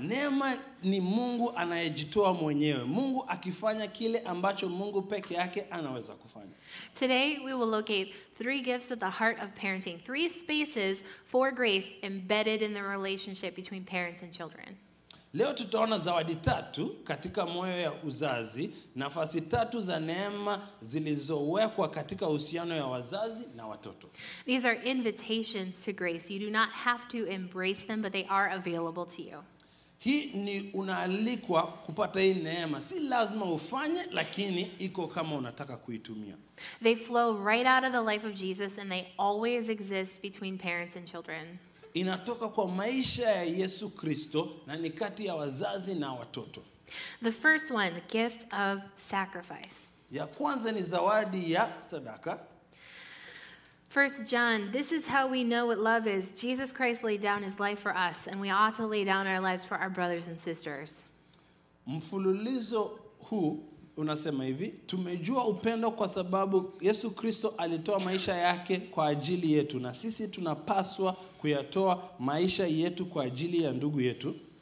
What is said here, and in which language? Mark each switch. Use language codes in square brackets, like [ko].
[sw] Neema ni Mungu anayejitoa mwenyewe. Mungu akifanya kile ambacho Mungu peke yake anaweza kufanya. [en] Today we will locate three gifts at the heart of parenting. Three spaces for grace embedded in the relationship between parents and children. [sw] Leo tutaona zawadi tatu katika moyo ya uzazi, nafasi tatu za neema zilizowekwa katika uhusiano ya wazazi na watoto. [en] These are invitations to grace. You do not have to embrace them, but they are available to you. [sw] Hii ni unaalikwa kupata hii neema. Si lazima ufanye, lakini iko kama unataka kuitumia. [en] They flow right out of the life of Jesus and they always exist between parents and children. [sw] Inatoka kwa maisha ya Yesu Kristo na ni kati ya wazazi na watoto. [en] The first one, the gift of sacrifice. [sw] Ya kwanza ni zawadi ya sadaka. [en] 1 John, this is how we know what love is. Jesus Christ laid down his life for us and we ought to lay down our lives for our brothers and sisters. [sw] Mfululizo huu unasema hivi, tumejua upendo kwa sababu Yesu Kristo alitoa maisha yake kwa ajili yetu na sisi tunapaswa kuyatoa maisha yetu kwa ajili ya ndugu yetu.